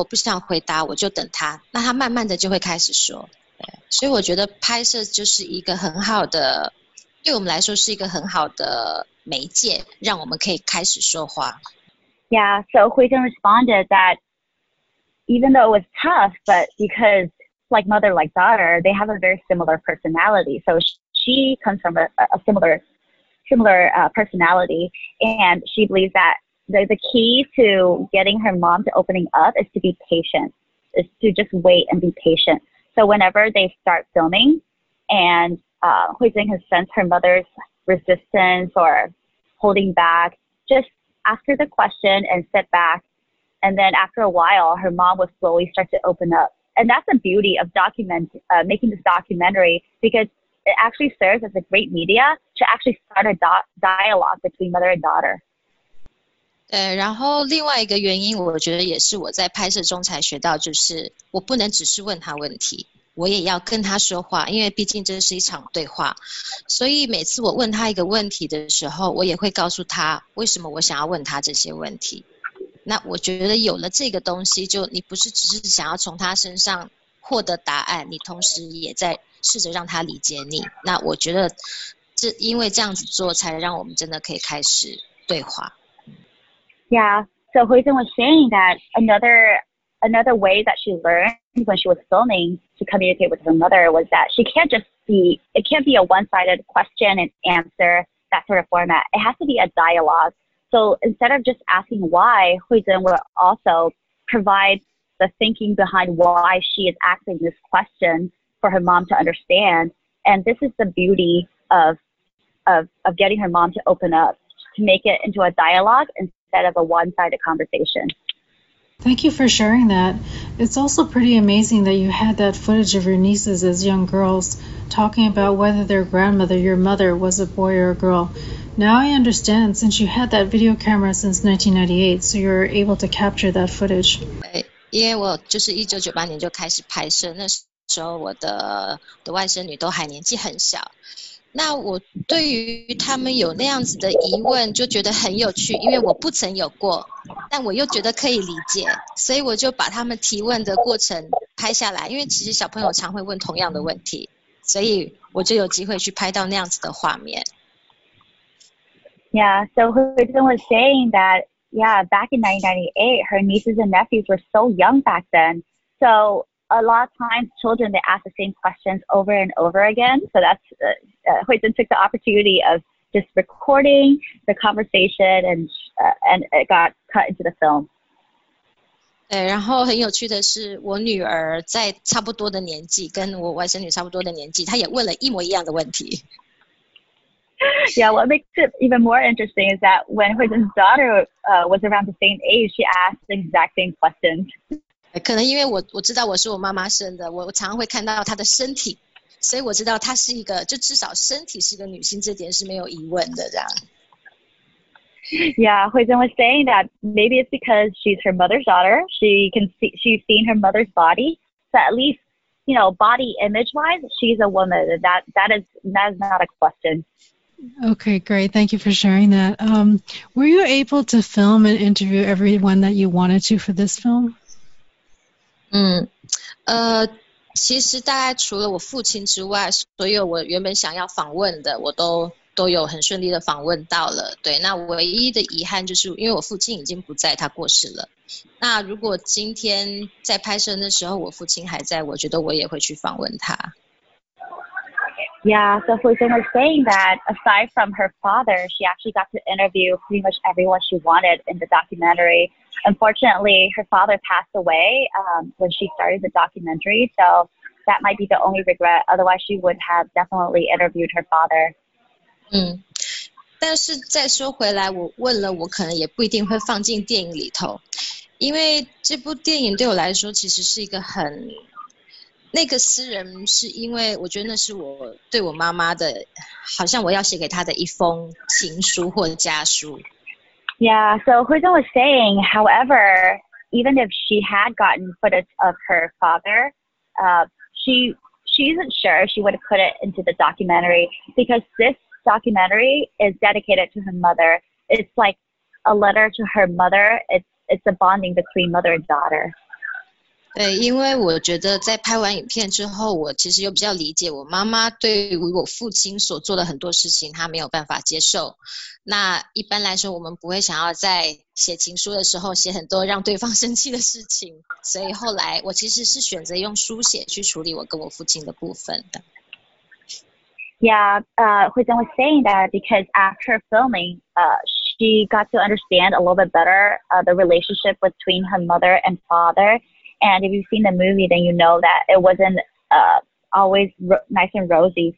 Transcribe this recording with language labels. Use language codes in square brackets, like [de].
[en] show her vulnerability. [zh] 嗯，那我觉得很可以理解，是因为我跟他个性其实有点像，在这个部分。那我觉得需要的就是等待，因为我们的拍摄过程中，我就会等。那我觉得那个等待就是也是他需要的，你知道，就是他也在等，我对我来说他也在等人听他说。那我觉得我就是每次提问呢，他如果不想回答，我就等他，那他慢慢的就会开始说。所以我觉得拍摄就是一个很好的，对我们来说是一个很好的媒介，让我们可以开始说话。 [en] Yeah, so Huizhen responded that even though it was tough, but because like mother, like daughter, they have a very similar personality. So she comes from a similar personality, and she believes that the key to getting her mom to opening up is to be patient, is to just wait and be patient. So whenever they start filming, and Huizhen has sensed her mother's resistance or holding back, just ask her the question and sit back. And then after a while, her mom will slowly start to open up. And that's the beauty of making this documentary, because it actually serves as a great media to actually start a dialogue between mother and daughter. [zh] 对，然后另外一个原因，我觉得也是我在拍摄中才学到，就是我不能只是问他问题，我也要跟他说话，因为毕竟这是一场对话。所以每次我问他一个问题的时候，我也会告诉他为什么我想要问他这些问题。那我觉得有了这个东西，就你不是只是想要从他身上获得答案，你同时也在试着让他理解你。那我觉得这因为这样子做，才让我们真的可以开始对话。 [en] Yeah, so Huizhen was saying that another way that she learned when she was filming to communicate with her mother was that she can't just be, it can't be a one-sided question and answer, that sort of format. It has to be a dialogue. So instead of just asking why, Huizhen would also provide the thinking behind why she is asking this question for her mom to understand. And this is the beauty of getting her mom to open up, to make it into a dialogue instead of a one-sided conversation. Thank you for sharing that. It's also pretty amazing that you had that footage of your nieces as young girls talking about whether their grandmother, your mother, was a boy or a girl. Now I understand, since you had that video camera since 1998, so you're able to capture that footage. [zh] 因为我就是1998年就开始拍摄，那时候我的外甥女都还年纪很小。那我对于他们有那样子的疑问就觉得很有趣，因为我不曾有过，但我又觉得可以理解，所以我就把他们提问的过程拍下来，因为其实小朋友常会问同样的问题，所以我就有机会去拍到那样子的画面。 [en] Yeah, so Huizhen was saying that, yeah, back in 1998, her nieces and nephews were so young back then, so a lot of times children, they ask the same questions over and over again, so that's Huizhen took the opportunity of just recording the conversation and it got cut into the film. [zh] 对，然后很有趣的是，我女儿在差不多的年纪，跟我外甥女差不多的年纪，她也问了一模一样的问题。 [en] Yeah, what makes it even more interesting is that when Huizhen's daughter was around the same age, she asked the exact same questions. [zh] 可能因为我知道我是我妈妈生的，我常常会看到她的身体，所以我知道她是一个，就至少身体是个女性，这点是没有疑问的。这样。 [en] Yeah, Huizhen was saying that maybe it's because she's her mother's daughter. She's seen her mother's body. So at least, you know, body image-wise, she's a woman. That is not a question. Okay, great. Thank you for sharing that. Were you able to film and interview everyone that you wanted to for this film? [zh] 其实大概除了我父亲之外，所有我原本想要访问的，我都有很顺利的访问到了。对，那唯一的遗憾就是因为我父亲已经不在，他过世了。那如果今天在拍摄的时候我父亲还在，我觉得我也会去访问他。 [en] Yeah, so Huizhen was saying that aside from her father, she actually got to interview pretty much everyone she wanted in the documentary. Unfortunately, her father passed away when she started the documentary, so that might be the only regret. Otherwise, she would have definitely interviewed her father. [zh] 但是再说回来，我问了，我可能也不一定会放进电影里头，因为这部电影对我来说其实是一个很。那个私人是因为我觉得那是我对我妈妈的，好像我要写给她的一封情书或者家书。 [en] Yeah, so Huizhen was saying, however, even if she had gotten footage of her father, she isn't sure she would have put it into the documentary because this documentary is dedicated to her mother. It's like a letter to her mother. It's a bonding between mother and daughter. [zh] 对，因为我觉得在拍完影片之后，我其实又比较理解我妈妈对于我父亲所做的很多事情，她没有办法接受。那一般来说，我们不会想要在写情书的时候写很多让对方生气的事情，所以后来我其实是选择用书写去处理我跟我父亲的部分的。 [en] Yeah, Huizhen was saying that because after filming, she got to understand a little bit better the relationship between her mother and father. And if you've seen the movie, then you know that it wasn't always nice and rosy.